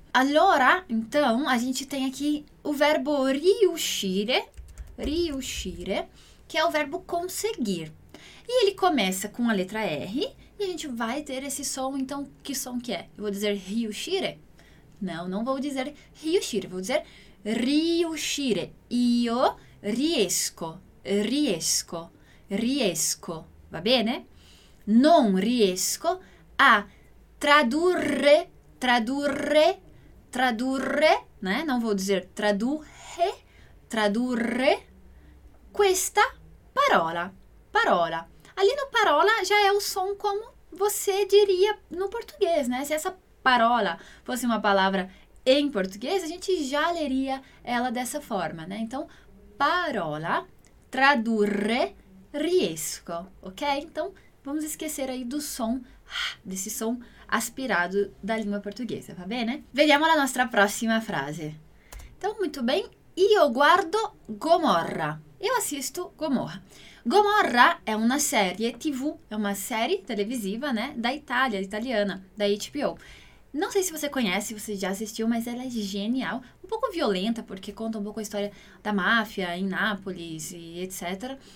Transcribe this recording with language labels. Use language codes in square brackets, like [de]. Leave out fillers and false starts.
[it] Allora, [pt] então, a gente tem aqui o verbo riuscire. Riuscire, que é o verbo conseguir. E ele começa com a letra R e a gente vai ter esse som. Então, que som que é? Eu vou dizer riuscire? Não, não vou dizer riuscire. Vou dizer riuscire. [it] Io riesco, riesco, riesco. Va bene? Non riesco a tradurre, tradurre, tradurre, né? [pt] Não vou dizer tradurre, tradurre. Questa parola, parola. Ali no parola já é o som como você diria no português, né? Se essa parola fosse uma palavra em português, a gente já leria ela dessa forma, né? Então, parola, tradurre, riesco, ok? Então, vamos esquecer aí do som, desse som aspirado da língua portuguesa, [it] tá bene? Vediamo la nostra prossima frase. [pt] Então, muito bem, [it] io guardo [pt] Gomorra. Eu assisto Gomorra. Gomorra é uma série TV, é uma série televisiva, né, da Itália, italiana, da HBO. Não sei se você conhece, se você já assistiu, mas ela é genial. Um pouco violenta, porque conta um pouco a história da máfia em Nápoles e etc.